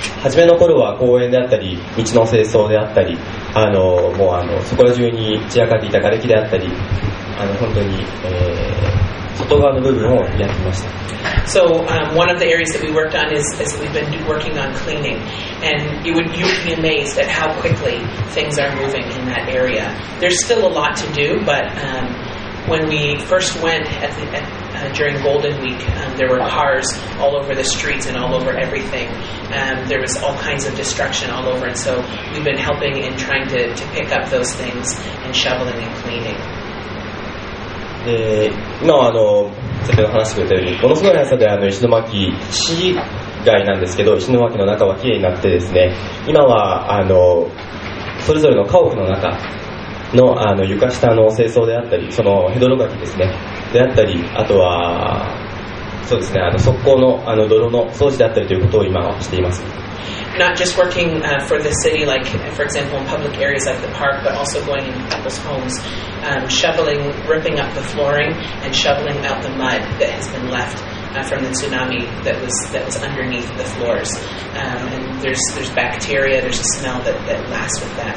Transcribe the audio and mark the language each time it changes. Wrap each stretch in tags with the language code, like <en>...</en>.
<ja>初めの頃は公園であったり道の清掃であったり、もうそこら中に散らかっていた瓦礫であったり、本当に、外側の部分をやってました。</ja> <en>So, one of the areas that we worked on is we've been working on cleaning. And you'd be amazed at how quickly things are moving in that area. There's still a lot to do, but when we first went during Golden Week, there were cars all over the streets and all over everything. There was all kinds of destruction all over. And so we've been helping and trying to pick up those things and shoveling and cleaning.</en> <ja>で今は先ほど話してくれたようにものすごい速さで石巻市街なんですけど石巻の中はきれいになってですね今はそれぞれの家屋の中 の床下の清掃であったりそのヘドロガキですねであったりあとはそうですね側溝 の泥の掃除であったりということを今はしています。</ja> <en>Not just working for the city, like for example in public areas like the park, but also going into people's homes, shoveling, ripping up the flooring, and shoveling out the mud that has been left from the tsunami that was underneath the floors. And there's bacteria, there's a smell that lasts with that.</en>